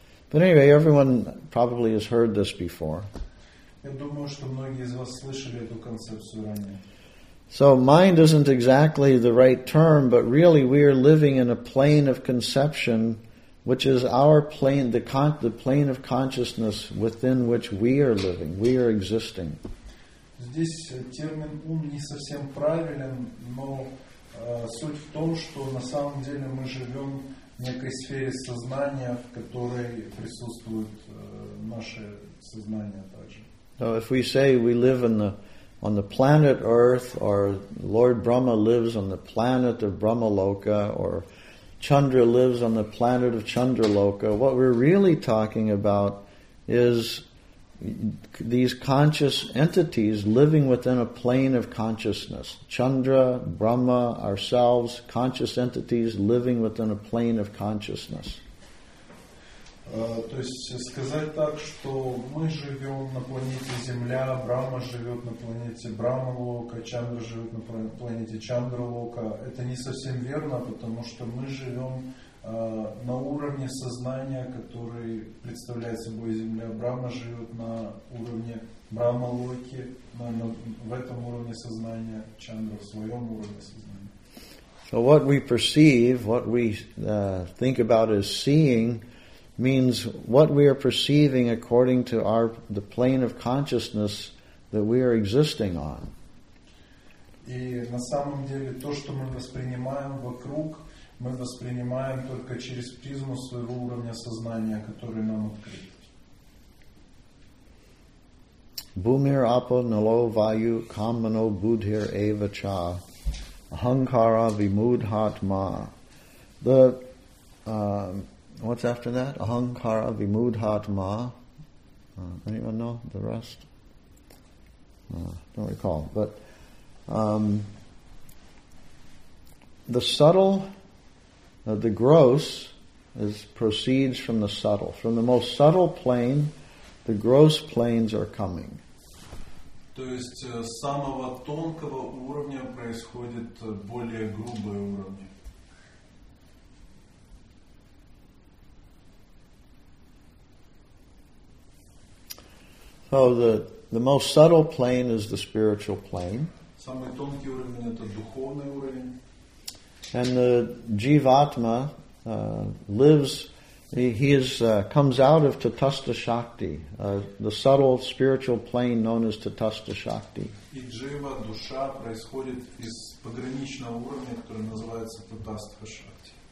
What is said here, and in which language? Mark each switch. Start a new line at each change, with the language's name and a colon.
English: But anyway, everyone probably has heard this before.
Russian: Я думаю, что многие из вас слышали эту концепцию ранее.
English: So mind isn't exactly the right term, but really we are living in a plane of conception, which is our plane, the plane of consciousness within which we are living, we are existing.
Russian: Здесь термин ум не совсем правилен, но суть в том, что на самом деле мы живем в некой сфере сознания, в которой присутствует наше сознание также.
English: So if we say we live in the planet Earth, or Lord Brahma lives on the planet of Brahmaloka, or Chandra lives on the planet of Chandraloka, what we're really talking about is these conscious entities living within a plane of consciousness. Chandra, Brahma, ourselves, conscious entities living within a plane of consciousness.
Russian: То есть сказать так, что мы живем на планете Земля, Брахма живет на планете Брахмалока, Чандра живет на планете Чандралока, это не совсем верно, потому что мы живем на уровне сознания, который представляет собой Земля. Брахма живет на уровне Брахмалоки, в этом уровне сознания, Чандра в своем уровне сознания.
English: So what we perceive, what we think about as seeing, means what we are perceiving according to the plane of consciousness that we are existing on.
Russian: И на самом деле то, что мы воспринимаем вокруг, мы воспринимаем только через призму своего уровня сознания, который нам открыт.
Sanskrit: Bhumir apo nalo vayu kamano buddhir eva cha ahankara vimudhatma.
English: What's after that?
Sanskrit: Ahankara vimudhatma.
English: Anyone know the rest? Don't recall. But the subtle, the gross, proceeds from the subtle. From the most subtle plane, the gross planes are coming.
Russian: То есть с самого тонкого уровня происходит более грубое уровень.
English: So the most subtle plane is the spiritual plane.
Russian: Самый тонкий уровень – это духовный уровень.
English: And the jivatma lives, comes out of tatastha shakti, the subtle spiritual plane known as tatastha shakti.
Russian: И джива, душа, происходит из пограничного уровня, который называется tatastha shakti.